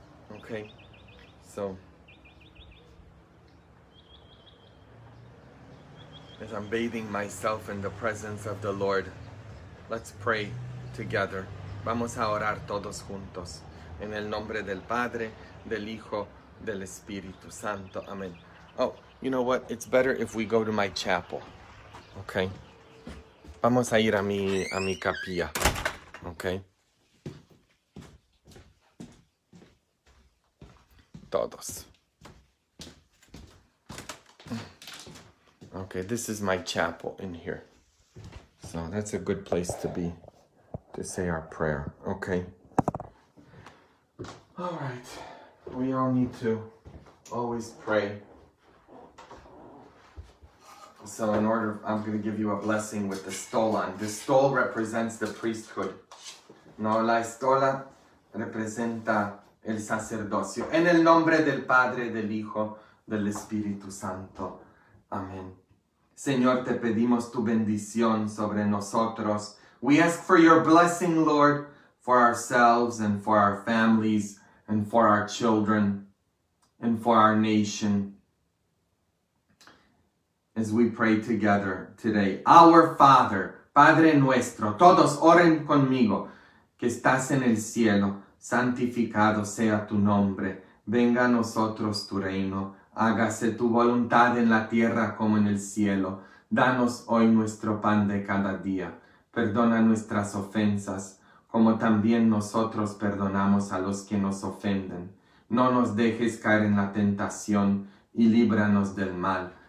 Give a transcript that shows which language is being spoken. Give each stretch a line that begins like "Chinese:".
English: Okay, so as I'm bathing myself in the presence of the Lord, let's pray together.
Spanish: Vamos a orar todos juntos. En el nombre del Padre, del Hijo, del Espíritu Santo.
English: Amen. Oh, you know what? It's better if we go to my chapel.
Spanish: Okay? Vamos a ir a mi capilla. Okay? Todos.
English: Okay, this is my chapel in here. So that's a good place to be, to say our prayer. Okay? All right. We all need to always pray. So in order, I'm going to give you a blessing with the stolon. The stole represents the priesthood.
Spanish: No, la estola representa el sacerdocio. En el nombre del Padre, del Hijo, del Espíritu Santo. Amén. Señor, te pedimos tu bendición sobre nosotros.
English: We ask for your blessing, Lord, for ourselves and for our families and for our children and for our nation. As we pray together today, our Father,
Spanish: Padre nuestro, todos oren conmigo, que estás en el cielo, santificado sea tu nombre, venga a nosotros tu reino, hágase tu voluntad en la tierra como en el cielo, danos hoy nuestro pan de cada día, perdona nuestras ofensas, como también nosotros perdonamos a los que nos ofenden, no nos dejes caer en la tentación y líbranos del mal.